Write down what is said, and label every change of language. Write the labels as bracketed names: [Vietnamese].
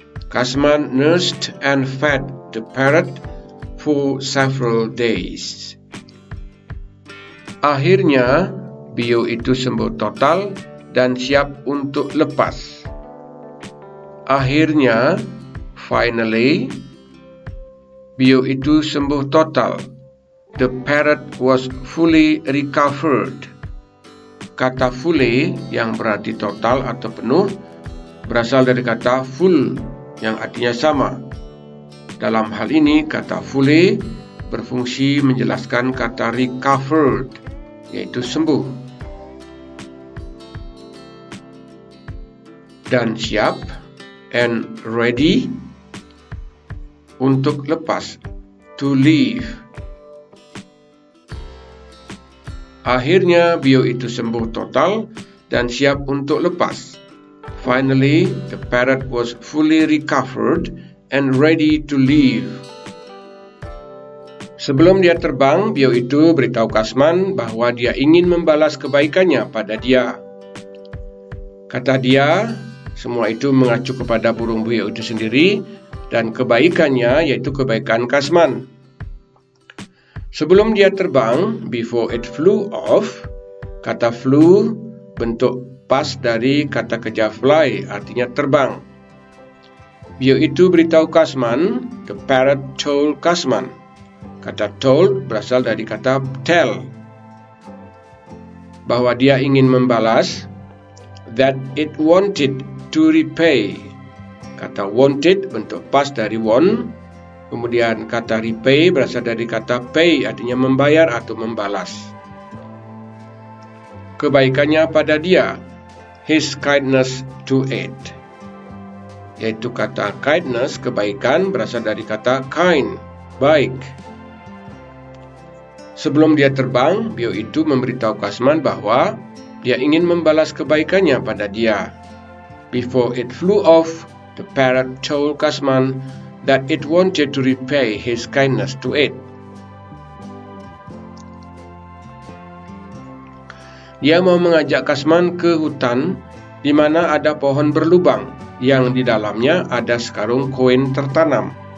[English] Kasman nursed and fed the parrot for several days. [Indonesian] Akhirnya, beo itu sembuh total dan siap untuk lepas. Akhirnya, finally, beo itu sembuh total. [English] The parrot was fully recovered. [Indonesian] Kata fully yang berarti total atau penuh berasal dari kata full yang artinya sama. Dalam hal ini, kata fully berfungsi menjelaskan kata recovered, yaitu sembuh. Dan siap, [English] and ready, [Indonesian] untuk lepas, [English] to leave. [Indonesian] Akhirnya, beo itu sembuh total dan siap untuk lepas. [English] Finally, the parrot was fully recovered and ready to leave. [Indonesian] Sebelum dia terbang, beo itu beritahu Kasman bahwa dia ingin membalas kebaikannya pada dia. Kata dia, semua itu mengacu kepada burung beo itu sendiri dan kebaikannya, yaitu kebaikan Kasman. Sebelum dia terbang, [English] before it flew off, [Indonesian] kata flew bentuk past dari kata kerja fly, artinya terbang. Beo itu beritahu Kasman, [English] the parrot told Kasman. [Indonesian] Kata told berasal dari kata tell. Bahwa dia ingin membalas, [English] that it wanted to repay. [Indonesian] Kata wanted bentuk past dari want. Kemudian kata repay berasal dari kata pay, artinya membayar atau membalas. Kebaikannya pada dia, [English] his kindness to it. [Indonesian] Yaitu kata kindness, kebaikan, berasal dari kata kind, baik. Sebelum dia terbang, beo itu memberitahu Kasman bahwa dia ingin membalas kebaikannya pada dia. [English] Before it flew off, the parrot told Kasman that it wanted to repay his kindness to it. [Indonesian] Dia mau mengajak Kasman ke hutan di mana ada pohon berlubang yang di dalamnya ada sekarung koin tertanam.